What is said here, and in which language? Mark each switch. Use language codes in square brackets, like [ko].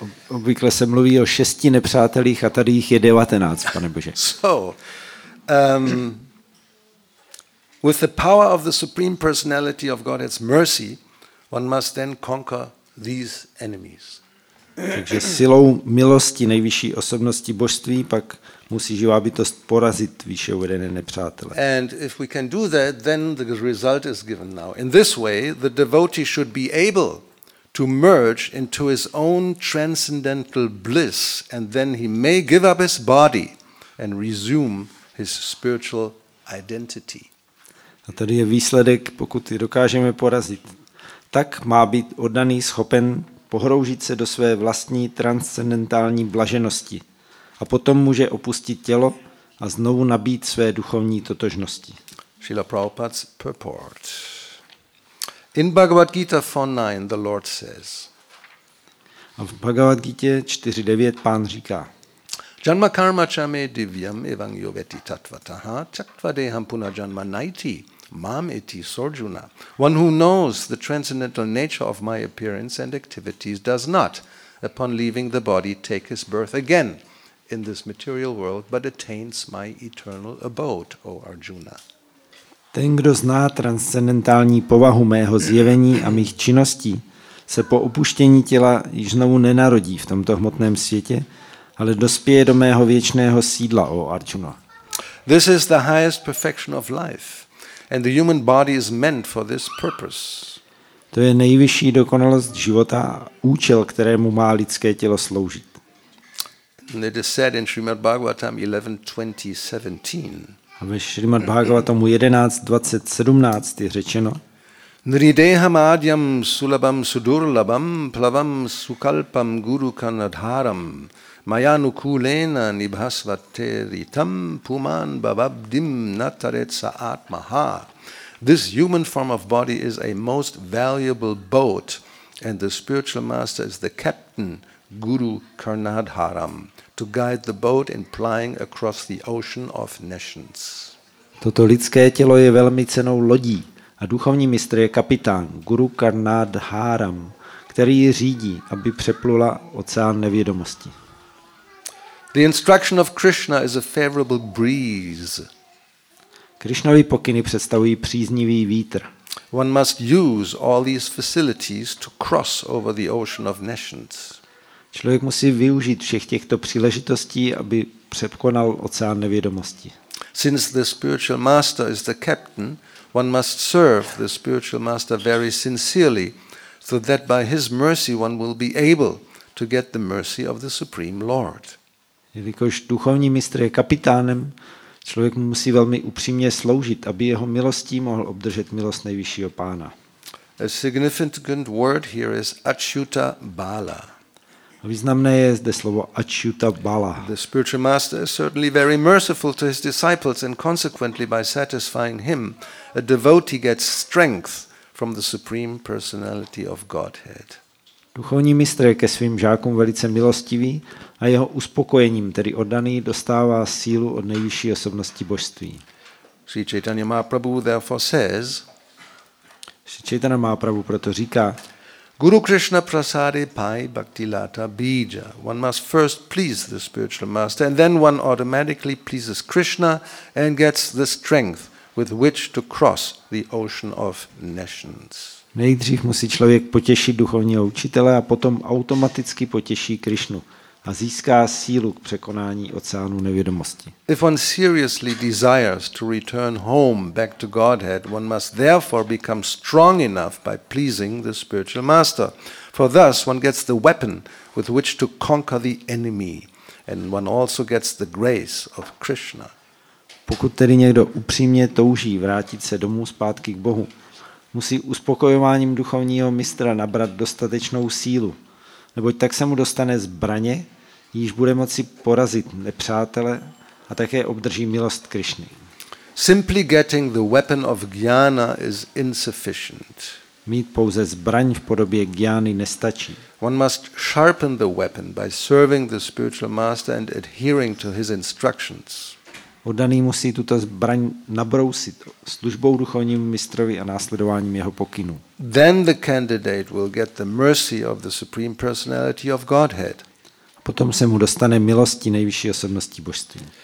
[cs] Obvykle se mluví o šesti nepřátelích a tady jich je 19, pane Bože. [en] So, with the power of the Supreme Personality of Godhead's mercy, one must then conquer these enemies. [cs] Takže silou milosti nejvyšší osobnosti božství pak musí živá bytost porazit výše uvedené nepřátele. [en] And if we can do that, then the result is given now. In this way, the devotee should be able to merge into his own transcendental bliss, and then he may give up his body and resume his spiritual identity. [cs] A tady je výsledek, pokud ji dokážeme porazit. Tak má být oddaný schopen pohroužit se do své vlastní transcendentální blaženosti. A potom může opustit tělo a znovu nabít své duchovní totožnosti. [en] Srila Prabhupada's purport. In Bhagavad Gita 4.9 the Lord says. [cs] A v Bhagavad Gita 4.9 pán říká. [sa] Janma karma chame divyam evangyo veti tatvataha chaktvadeham puna janma naiti mam iti sorjuna. [en] One who knows the transcendental nature of my appearance and activities does not, upon leaving the body, take his birth again in this material world, but attains my eternal abode, O Arjuna. [cs] Ten, kdo zná transcendentální povahu mého zjevení a mých činností, se po opuštění těla již znovu nenarodí v tomto hmotném světě, ale dospěje do mého věčného sídla, O Arjuna. [en] This is the highest perfection of life, and the human body is meant for this purpose. [cs] To je nejvyšší dokonalost života, účel, kterému má lidské tělo sloužit. [en] And it is said in Srimad Bhagavatam 11.20.17. [cs] A ve Srimad Bhagavatam 11.20.17 je řečeno. [sa] Nrideham adyam sulabam sudurlabam plavam sukalpam guru kanadharam mayanukulena nibhasvateritam puman bababdim nataretsa atmaha. [en] This human form of body is a most valuable boat and the spiritual master is the captain guru kanadharam. To guide the boat in plying across the ocean of nations. [cs] Toto lidské tělo je velmi cennou lodí a duchovní mistr je kapitán Guru Karnadharam, který ji řídí, aby přeplula oceán nevědomosti. [en] The instruction of Krishna is a favorable breeze. [cs] Krishnovy pokyny představují příznivý vítr. [en] One must use all these facilities to cross over the ocean of nations. [cs] Člověk musí využít všech těchto příležitostí, aby překonal oceán nevědomosti. [en] Since the spiritual master is the captain, one must serve the spiritual master very sincerely, so that by his mercy one will be able to get the mercy of the Supreme Lord. [cs] Jelikož duchovní mistr je kapitánem, člověk musí velmi upřímně sloužit, aby jeho milostí mohl obdržet milost nejvyššího pána. [en] A significant word here is Achyuta Bala. [cs] Významné je zde slovo Achyuta Bala. [en] The spiritual master is certainly very merciful to his disciples and consequently by satisfying him, a devotee gets strength from the Supreme Personality of Godhead. [cs] Duchovní mistr je ke svým žákům velice milostivý a jeho uspokojením, tedy oddaný, dostává sílu od nejvyšší osobnosti božství. [en] Sri Chaitanya Mahaprabhu therefore says, [cs] Sri Chaitanya Mahaprabhu proto říká, [sa] Guru Krishna prasade pai bhakti lata bija. [en] One must first please the spiritual master and then one automatically pleases Krishna and gets the strength with which to cross the ocean of nations. [cs] Nejdřív musí člověk potěšit duchovního učitele a potom automaticky potěší Krishnu a získá sílu k překonání oceánu nevědomosti. [en] If one seriously desires to return home back to Godhead, one must therefore become strong enough by pleasing the spiritual master. For thus one gets the weapon with which to conquer the enemy and one also gets the grace of Krishna. [cs] Pokud tedy někdo upřímně touží vrátit se domů zpátky k Bohu, musí uspokojováním duchovního mistra nabrat dostatečnou sílu. Neboť tak se mu dostane zbraně, již bude moci porazit nepřátele a také obdrží milost Krišny. [en] Simply getting the weapon of jnana is insufficient. [cs] Mít pouze zbraň v podobě jnany nestačí. [en] One must sharpen the weapon by serving the spiritual master and adhering to his instructions. [cs] Oddaný musí tuto zbraň nabrousit službou duchovnímu mistrovi a následováním jeho pokynů. [en] Then the candidate will get the mercy of the Supreme Personality of Godhead. [cs] Potom se mu dostane milosti nejvyšší osobnosti božství.